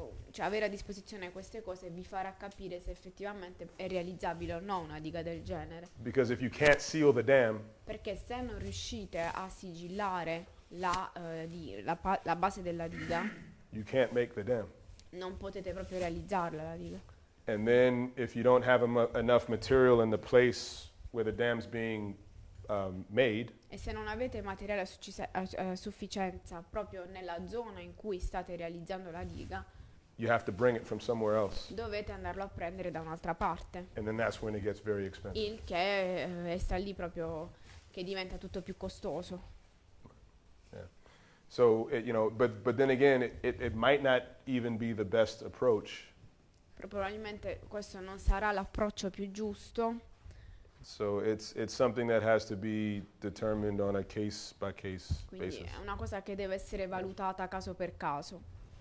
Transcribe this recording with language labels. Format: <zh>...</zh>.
<it>Cioè avere a disposizione queste cose vi farà capire se effettivamente è realizzabile o no una diga del genere.</it> <en>Because if you can't seal the dam.</en> <it>Perché se non riuscite a sigillare la base della diga.</it> <en>You can't make the dam.</en> <it>Non potete proprio realizzarla la diga.</it> <en>And then if you don't have enough material in the place where the dam's being made.</en> <it>E se non avete materiale a sufficienza proprio nella zona in cui state realizzando la diga.</it> <en>You have to bring it from somewhere else.</en> <it>Dovete andarlo a prendere da un'altra parte.</it> <en>And then that's when it gets very expensive.</en> <it>Il che è sta lì proprio che diventa tutto più costoso.</it> <en>So but then again it might not even be the best approach.</en> <it>Probabilmente questo non sarà l'approccio più giusto.</it> <en>So it's something that has to be determined on a case by case basis.</en> <it>Quindi è una cosa che deve essere valutata caso per caso.</it>